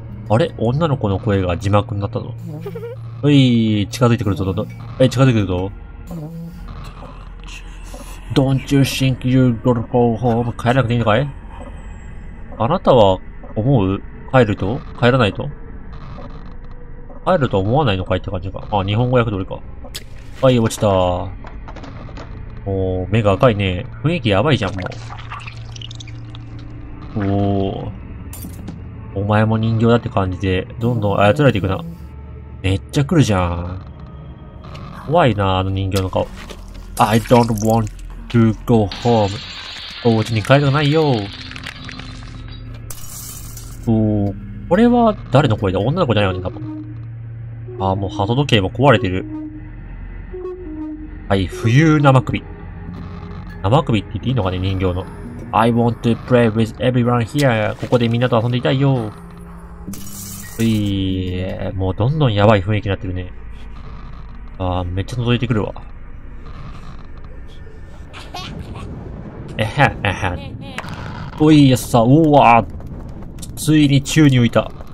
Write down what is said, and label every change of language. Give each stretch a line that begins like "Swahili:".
Japanese: あれ、女の子の声が字幕になったぞ。おい、近づいてくるぞ、え、近づいてくるぞ。
English: Don't you think you gotta go home?
Japanese: 帰らなくていいのかい？あなたは思う？帰ると？帰らないと？帰ると思わないのかいって感じか。あ、日本語訳通りか。はい、落ちた。おー、目が赤いね。雰囲気やばいじゃん、もう。おー。お前も人形だって感じで、どんどん操られていくな。めっちゃ来るじゃん。怖いな、あの人形の顔。
English: I don't want to go home.
Japanese: お家に帰りたくないよ。おー、これは誰の声だ？女の子じゃないよね、多分。ああ、もう鳩時計も壊れてる。はい、浮遊生首。生首って言っていいのかね、人形の。
English: I want to play with everyone here.
Japanese: ここでみんなと遊んでいたいよ。ういー、もうどんどんやばい雰囲気になってるね。ああ、めっちゃ覗いてくるわ。えへん、えへん。おいやっさ、うわーついに宙に浮いた。